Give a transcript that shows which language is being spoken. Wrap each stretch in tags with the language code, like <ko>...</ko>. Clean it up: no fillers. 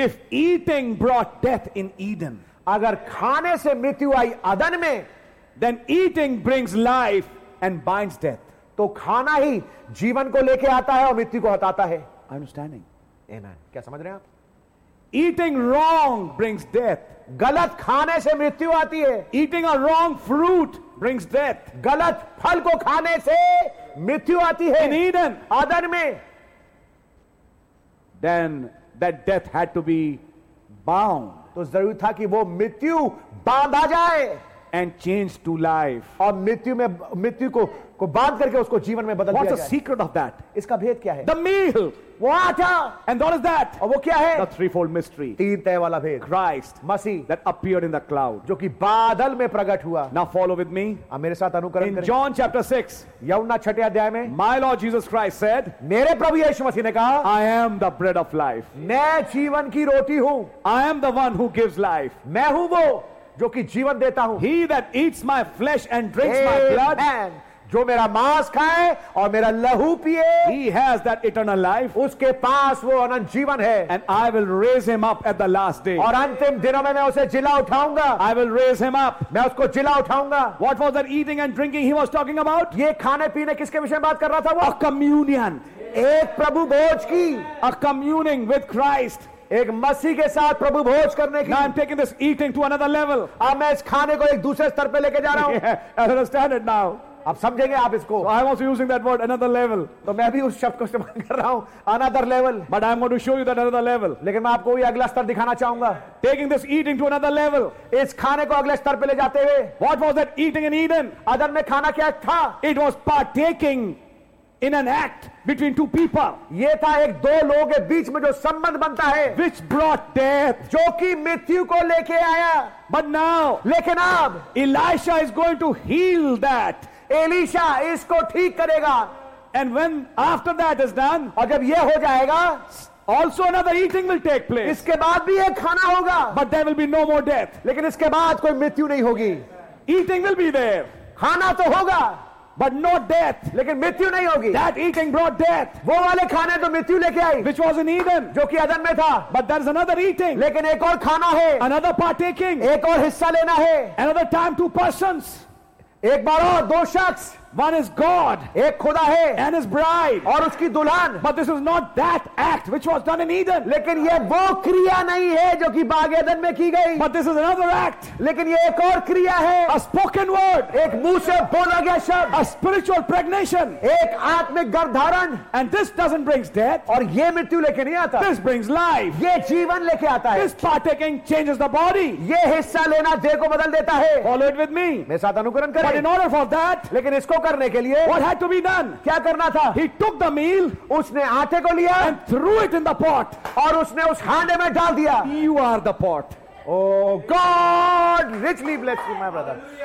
<en>If eating brought death in Eden,</en> <hi>अगर खाने से मृत्यु आई अदन में,</hi> <en>then eating brings life and binds death.</en> <hi>तो खाना ही जीवन को लेके आता है और मृत्यु को हटाता है.</hi> <en>Understanding?</en> <hi>आमेन. क्या समझ रहे हैं आप?</hi> <en>Eating wrong brings death.</en> <hi>गलत खाने से मृत्यु आती है.</hi> <en>Eating a wrong fruit brings death.</en> <hi>गलत फल को खाने से मृत्यु आती है.</hi> <en>in Eden,</en> <hi>आदन में.</hi> <en>Then that death had to be bound.</en> <hi>तो जरूरी था कि वो मृत्यु बांधा जाए.</hi> <en>And change to life.</en> <hi>और मृत्यु में मृत्यु को बांध करके उसको जीवन में बदल दिया.</hi> <en>What's the secret of that?</en> <hi>इसका भेद क्या है?</hi> <en>The meal.</en> <hi>वो आटा.</hi> <en>And what is that?</en> <hi>और वो क्या है?</hi> <en>The threefold mystery.</en> <hi>तीन तह वाला भेद.</hi> <en>Christ.</en> <hi>Masih.</hi> <en>That appeared in the cloud.</en> <hi>जो कि बादल में प्रकट हुआ.</hi> <en>Now follow with me.</en> <hi>अब मेरे साथ अनुकरण करें.</hi> <en>In John chapter 6.</en> <hi>यूहन्ना 6 अध्याय में.</hi> <en>My Lord Jesus Christ said.</en> <hi>मेरे प्रभु यीशु मसीह ने कहा.</hi> <en>I am the bread of life.</en> <hi>मैं जीवन की रोटी हूँ.</hi> <en>I am the one who gives life.</en> <hi>मैं हूँ वो जो कि जीवन देता हूं.</hi> <en>He that eats my flesh and drinks my blood,</en> <hi>man, जो मेरा मांस खाए और मेरा लहू पिए,</hi> <en>he has that eternal life,</en> <hi>उसके पास वो अनंत जीवन है.</hi> <en>And I will raise him up at the last day,</en> <hi>और अंतिम दिनों में मैं उसे जिला उठाऊंगा.</hi> <en>I will raise him up,</en> <hi>मैं उसको जिला उठाऊंगा.</hi> <en>What was that eating and drinking he was talking about?</en> <hi>ये खाने पीने किसके विषय में बात कर रहा था वो?</hi> <en>A communion,</en> <hi>एक प्रभु भोज की.</hi> <en>A communing with Christ.</en> <hi>एक मसीह के साथ प्रभु भोज करने की.</hi> <en>Now I'm taking this eating to another level.</en> <hi>अब मैं इस खाने को एक दूसरे स्तर पे लेके जा रहा हूं.</hi> <en>Yeah, understand it now.</en> <hi>अब समझेंगे आप इसको.</hi> <en>So I'm also using that word another level.</en> <hi>तो मैं भी उस शब्द को इस्तेमाल कर रहा हूं,</hi> <en>another level. But I'm going to show you that another level.</en> <hi>लेकिन मैं आपको ये अगला स्तर दिखाना चाहूंगा.</hi> <en>Taking this eating to another level.</en> <hi>इस खाने को अगले स्तर पे ले जाते हुए.</hi> <en>What was that eating in Eden?</en> <hi>अदन में खाना क्या था?</hi> <en>It was partaking in an act between two people.</en> <hi>ये था एक दो लोगों के बीच में जो संबंध बनता है.</hi> <en>Which brought death.</en> <hi>जो कि मृत्यु को लेके आया.</hi> <en>But now.</en> <hi>लेकिन अब.</hi> <en>Elisha is going to heal that.</en> <hi>Elisha इसको ठीक करेगा.</hi> <en>And when after that is done.</en> <hi>और जब ये हो जाएगा.</hi> <en>Also another eating will take place.</en> <hi>इसके बाद भी एक खाना होगा.</hi> <en>But there will be no more death.</en> <hi>लेकिन इसके बाद कोई मृत्यु नहीं होगी.</hi> <en>Eating will be there.</en> <hi>खाना तो होगा.</hi> <en>But no death.</en> <hi>लेकिन मृत्यु नहीं होगी.</hi> <en>That eating brought death.</en> <hi>वो वाले खाने तो मृत्यु लेके आई.</hi> <en>Which was in Eden.</en> <hi>जो कि अदन में था.</hi> <en>But there's another eating.</en> <hi>लेकिन एक और खाना है.</hi> <en>Another partaking.</en> <hi>एक और हिस्सा लेना है.</hi> <en>Another time two persons.</en> <hi>एक बार और दो शख्स.</hi> <en>One is God.</en> <hi>एक खुदा है.</hi> <en>And his bride.</en> <hi>और उसकी दुल्हन.</hi> <en>But this is not that act which was done in Eden.</en> <hi>लेकिन ये वो क्रिया नहीं है जो कि बाग एदन में की गई.</hi> <en>But this is another act.</en> <hi>लेकिन ये एक और क्रिया है.</hi> <en>A spoken word.</en> <hi>एक मुंह से बोला गया शब्द.</hi> <en>A spiritual pregnation.</en> <hi>एक आत्मिक गर्भधारण.</hi> <en>And this doesn't bring death.</en> <hi>और ये मृत्यु लेके नहीं आता.</hi> <en>This brings life.</en> <hi>ये जीवन लेके आता है.</hi> <en>This partaking changes the body.</en> <hi>ये हिस्सा लेना देह को बदल देता है.</hi> <en>Follow it with me.</en> <hi>मेरे साथ अनुकरण करें.</hi> <en>But in order for that.</en> <hi>लेकिन इसको करने के लिए</hi> <en>what had to be done?</en> <hi>क्या करना था?</hi> <en>He took the meal,</en> <hi>उसने आटे को लिया,</hi> <en>and threw it in the pot,</en> <hi>और उसने उस हांडे में डाल दिया.</hi> <en>You are the pot. Oh God, richly bless you, my brother.</en>